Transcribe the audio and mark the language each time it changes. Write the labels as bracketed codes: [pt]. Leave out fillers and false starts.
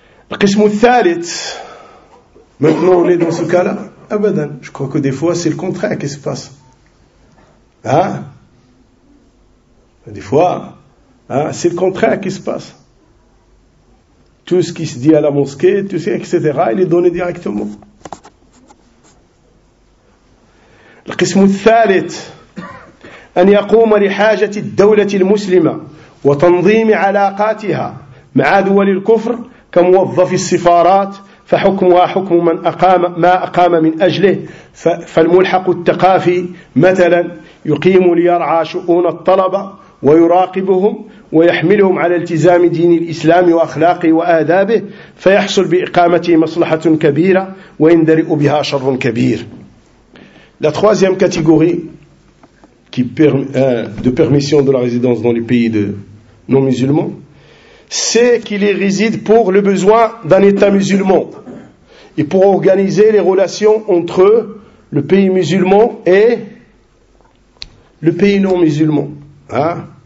[fr] Le [ar] qismu thalith, [fr] maintenant on est dans ce cas-là, abadan, je crois que des fois c'est le contraire qui se passe. Hein? Des fois, hein, c'est le contraire qui se passe. Tout ce qui se dit à la mosquée, tout ce, etc., il est donné directement. Le qismu thalith, [ar] أن يقوم لحاجة الدولة المسلمة وتنظيم علاقاتها مع دول الكفر كموظف السفارات فحكمها حكم من أقام ما أقام من أجله فالملحق الثقافي مثلا يقيم ليرعى شؤون الطلبة ويراقبهم ويحملهم على التزام دين الإسلام وأخلاقه وآدابه فيحصل بإقامته مصلحة كبيرة ويندرئ بها شر كبير. [fr] La troisième catégorie de permission de la résidence dans les pays de non-musulmans, c'est qu'il y réside pour le besoin d'un État musulman et pour organiser les relations entre le pays musulman et le pays non-musulman. Hein?